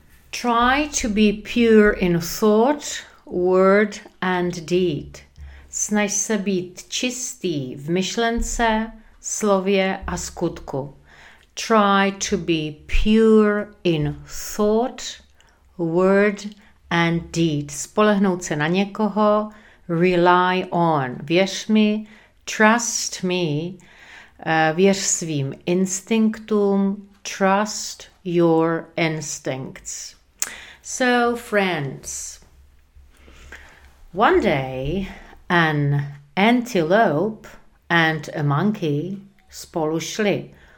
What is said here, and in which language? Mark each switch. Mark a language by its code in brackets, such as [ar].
[en] Try to be pure in thought, word and deed. [cs] Snaž se být čistý v myšlence, slově a skutku. [en] Try to be pure in thought, word and deed. [cs] Spolehnout se na někoho, [en] rely on. [cs] Věř mi, [en] trust me, [cs] věř svým instinktům, [en] trust your instincts. So, friends, one day an antelope and a monkey [cs] spolu šli.